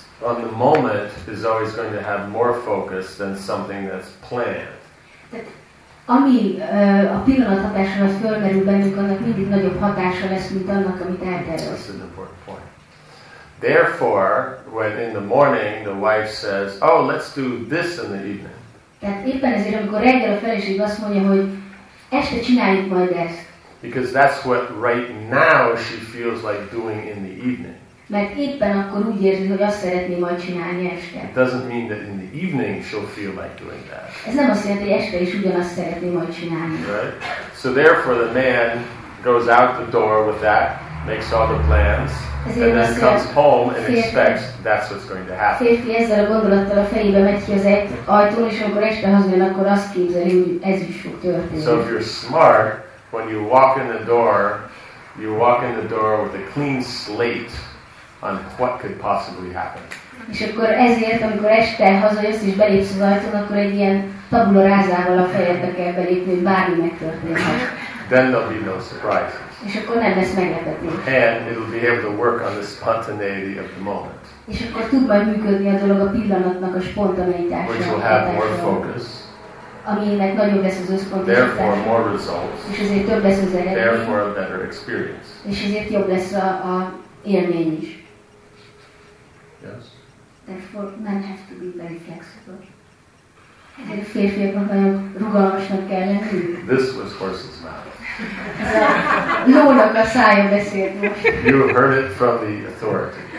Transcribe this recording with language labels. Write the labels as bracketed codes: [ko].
[en] on the moment is always going to have more focus than something that's planned. [hu] Ami a pillanat hatásra fölmerül bennünk, annak mindig nagyobb hatása lesz, mint annak, amit eltervezünk. [en] That's an important point. Therefore, when in the morning the wife says, oh, let's do this in the evening. [hu] Tehát éppen ezért, amikor reggel a feleség azt mondja, hogy este csináljuk majd ezt. [en] Because that's what right now she feels like doing in the evening. [hu] Mert éppen akkor úgy érzi, hogy azt szeretné majd csinálni este. [en] It doesn't mean that in the evening she'll feel like doing that. [hu] Ez nem azt jelenti, hogy este is ugyanazt szeretné majd csinálni. [en] Right? So therefore the man goes out the door with that, makes all the plans, and then comes home and expects that's what's going to happen. [hu] Férfi ezzel a gondolattal a fejébe megy ki az ajtón, és amikor este hazajön, akkor azt képzeli, hogy ez is fog történni. [en] So if you're smart, when you walk in the door, you walk in the door with a clean slate on what could possibly happen. [hu] És akkor ezért, amikor este hazajössz és belépsz az ajtón, akkor egy ilyen tabula rázával a fejedbe kell belépni, hogy bármi megtörténhet. [en] Then there'll be no surprises. [hu] És akkor nem lesz meglepetés. [en] And it'll be able to work on the spontaneity of the moment. [hu] És akkor tud majd működni a dolog a pillanatnak a spontaneitásra. [en] Which will have more focus. [hu] Aminek nagyobb lesz az összpontosítása. [en] Therefore more results. [hu] És ezért több lesz az eredmény. [en] Therefore a better experience. [hu] És ezért jobb lesz a élmény is. [en] Yes. Therefore men have to be very flexible. [hu] Ezért a férfiaknak nagyon rugalmasnak kell lenni. [en] This was horse's mouth. [hu] Lónak a szája beszélt most. [en] You heard it from the authority.